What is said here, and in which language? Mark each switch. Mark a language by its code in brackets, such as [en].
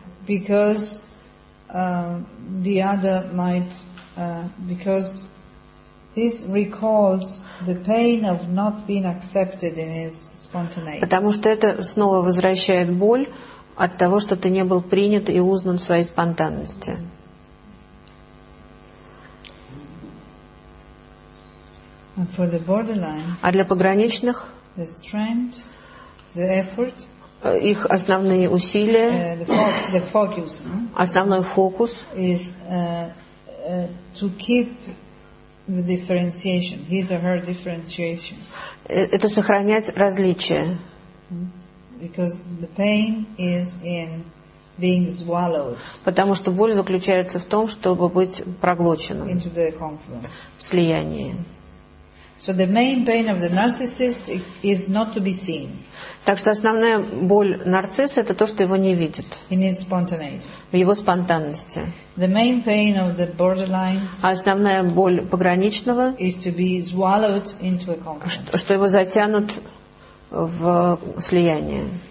[en] Because the other might because this recalls the pain of not being accepted in his. [ru] Потому что это снова возвращает боль от того, что ты не был принят и узнан в своей спонтанности. [en] And for the borderline, [ru] а для пограничных [en] the strength, the effort, [ru] их основные усилия, [en] the focus, [ru] основной фокус [en] is to keep the differentiation, his or her differentiation. [ru] Это сохранять различия. [en] Because the pain is in being swallowed. [ru] Потому что боль заключается в том, чтобы быть проглоченным. [en] Into the confluence. [ru] В слиянии. [en] So the main pain of the narcissist is not to be seen. [ru] Так что основная боль нарцисса — это то, что его не видят. [en] In his spontaneity. [ru] В его спонтанности. [en] The main pain of the borderline. [ru] А основная боль пограничного — [en] is to be swallowed into a conflict. [ru] Что его затянут в слияние.